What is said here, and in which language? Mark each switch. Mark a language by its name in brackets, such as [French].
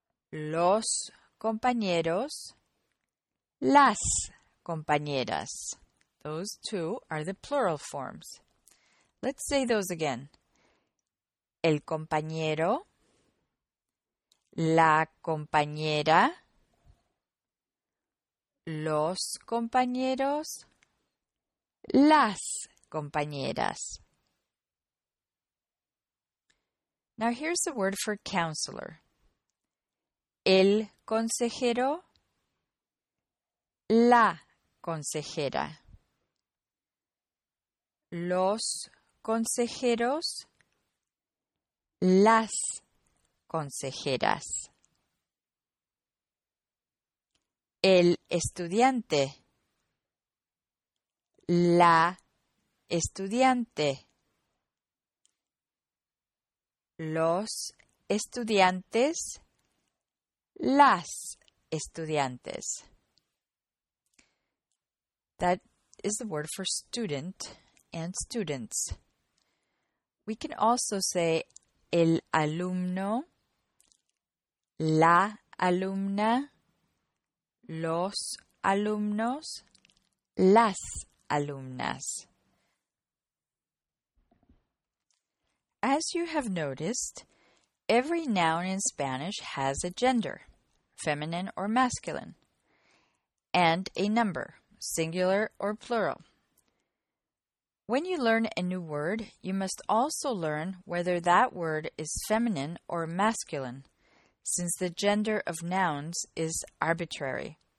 [Spanish] Los compañeros, las compañeras. [English] Those two are the plural forms. Let's say those again. [Spanish] El compañero, la compañera, los compañeros, las compañeras. [English] Now here's the word for counselor. [Spanish] El consejero, la consejera. Los consejeros, las consejeras. El estudiante, la estudiante. Los estudiantes, las estudiantes. [English] That is the word for student and students. We can also say [Spanish] el alumno, la alumna, los alumnos, las alumnas. [English] As you have noticed, every noun in Spanish has a gender, feminine or masculine, and a number, singular or plural. When you learn a new word, you must also learn whether that word is feminine or masculine, since the gender of nouns is arbitrary.